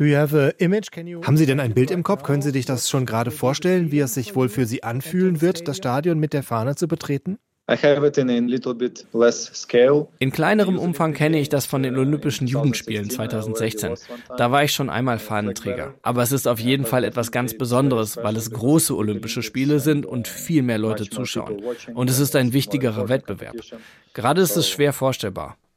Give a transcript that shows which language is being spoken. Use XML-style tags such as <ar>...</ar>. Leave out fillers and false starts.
<de>Haben Sie denn ein Bild im Kopf? Können Sie sich das schon gerade vorstellen, wie es sich wohl für Sie anfühlen wird, das Stadion mit der Fahne zu betreten?</de> <en>I have it in a little bit less scale.</en> <de>In kleinerem Umfang kenne ich das von den Olympischen Jugendspielen 2016. Da war ich schon einmal Fahnenträger. Aber es ist auf jeden Fall etwas ganz Besonderes, weil es große Olympische Spiele sind und viel mehr Leute zuschauen. Und es ist ein wichtigerer Wettbewerb. Gerade ist es schwer vorstellbar.</de>